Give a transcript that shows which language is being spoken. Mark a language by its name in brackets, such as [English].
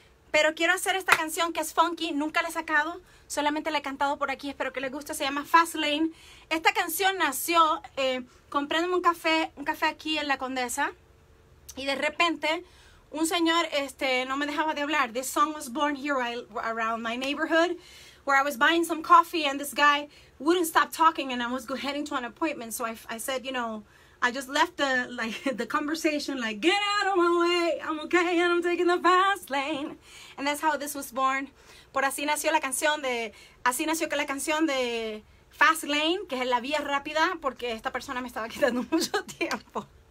[Spanish] Pero quiero hacer esta canción que es funky. Nunca la he sacado. Solamente la he cantado por aquí. Espero que les guste. Se llama Fast Lane. Esta canción nació comprándome un café aquí en La Condesa. Y de repente, un señor no me dejaba de hablar. [English] This song was born here around my neighborhood. Where I was buying some coffee and this guy wouldn't stop talking and I was heading to an appointment. So I said, you know, I just left the conversation like, get out of my way. I'm okay and I'm taking the fast lane. And that's how this was born. [Spanish] Por así nació la canción de, así nació que la canción de Fast Lane, que es la vía rápida, porque esta persona me estaba quitando mucho tiempo.